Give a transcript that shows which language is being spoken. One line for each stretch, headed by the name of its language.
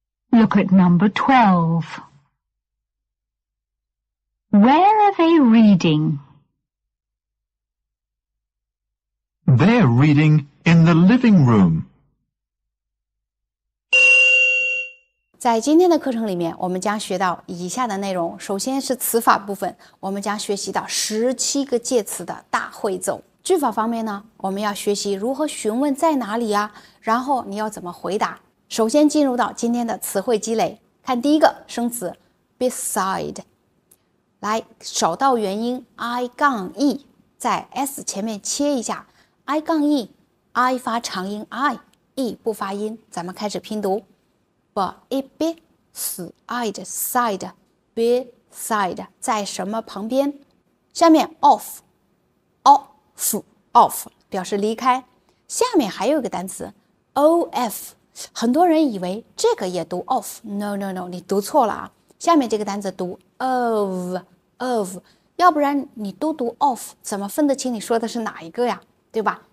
English: Look at number 12. Where are they reading? They're reading in the living room.
Chinese: 在今天的课程里面，我们将学到以下的内容。首先是词法部分，我们将学习到17个介词的大汇总。句法方面呢，我们要学习如何询问在哪里啊，然后你要怎么回答。首先进入到今天的词汇积累，看第一个生词 beside， 来找到元音 i 杠 e， 在 s 前面切一下 i 杠 e，i 发长音 i，e 不发音，咱们开始拼读。
English: Beside, side, beside,
Chinese: 在什么旁边？下面 off, off, off 表示离开。下面还有一个单词 of， 很多人以为这个也读 off，
English: no no no，
Chinese: 你读错了啊。下面这个单词读 of， of， 要不然你都读 off， 怎么分得清你说的是哪一个呀？对吧？